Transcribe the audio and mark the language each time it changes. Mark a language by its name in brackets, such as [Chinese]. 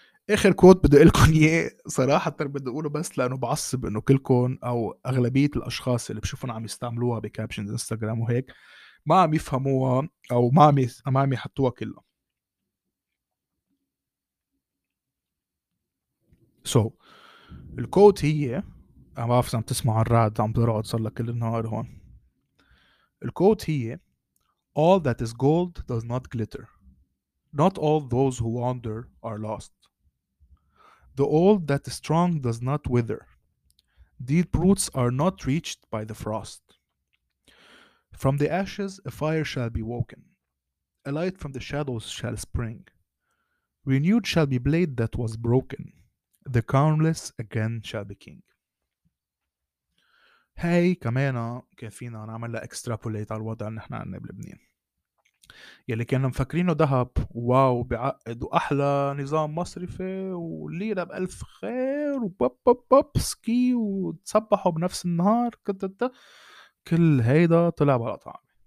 [Arabic] اخر كوت بدي لكم اياه صراحه بدي اقوله بس لانه بعصب انه كلكم او اغلبيه الاشخاص اللي بشوفهم عم يستعملوها بكابشنز انستغرام وهيك ما عم يفهموها او ما عم يحطوها كلها. سو الكوت هي ما بعرف اذا عم تسمع الرعد عم ترعد صار لك كل النهار هون. الكوت هي [English] all that is gold does not glitter, not all those who wander are lost. The old that is strong does not wither. Deep roots are not reached by the frost. From the ashes a fire shall be woken. A light from the shadows shall spring. Renewed shall be blade that was broken. The crownless again shall be king. [Arabic] هاي كمان كيفينا نعمل extrapolate على الوضع اللي نحن عنا بلبنان. يلي كانوا مفكرينه ذهب واو بعقد وأحلى نظام مصرفي والليرة بألف خير وبابابابسكي وتصبحوا بنفس النهار كتتت كل هيدا طلع على طعم.